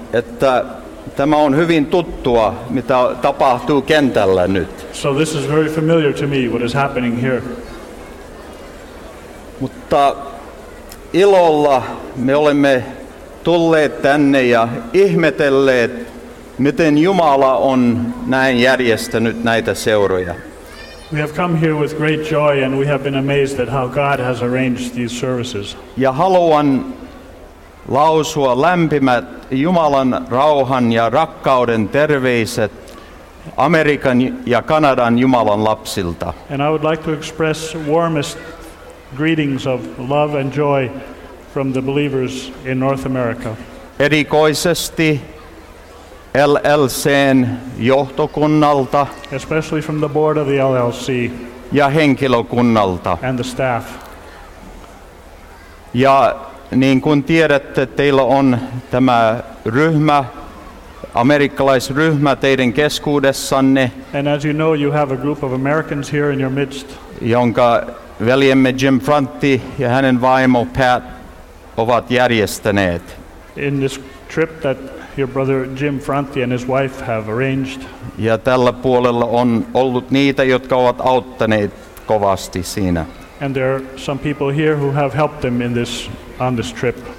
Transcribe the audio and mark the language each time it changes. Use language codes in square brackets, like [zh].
[fi] Että tämä on hyvin tuttua, mitä tapahtuu kentällä nyt. [en] So this is very familiar to me, what is happening here. [fi] Mutta ilolla me olemme tulleet tänne ja ihmetelleet, miten Jumala on näin järjestänyt näitä seuroja. [en] We have come here with great joy and we have been amazed at how God has arranged these services. [fi] Ja haluan lausua lämpimät Jumalan rauhan ja rakkauden terveiset Amerikan ja Kanadan Jumalan lapsilta. [en] And I would like to express warmest greetings of love and joy from the believers in North America. [fi] Erikoisesti LLC:n johtokunnalta, [en] especially from the board of the LLC, [fi] ja henkilökunnalta, [en] and the staff. [fi] Ja niin kuin tiedätte, teillä on tämä ryhmä, amerikkalaisryhmä teidän keskuudessanne, [en] and as you know, you have a group of Americans here in your midst, [fi] jonka veljemme Jim Frantti ja hänen vaimo Pat ovat järjestäneet. [en] In this trip that your brother Jim Frantti and his wife have arranged. [fi] Ja tällä puolella on ollut niitä, jotka ovat auttaneet kovasti siinä. [en] And there are some people here who have helped them in this on this trip.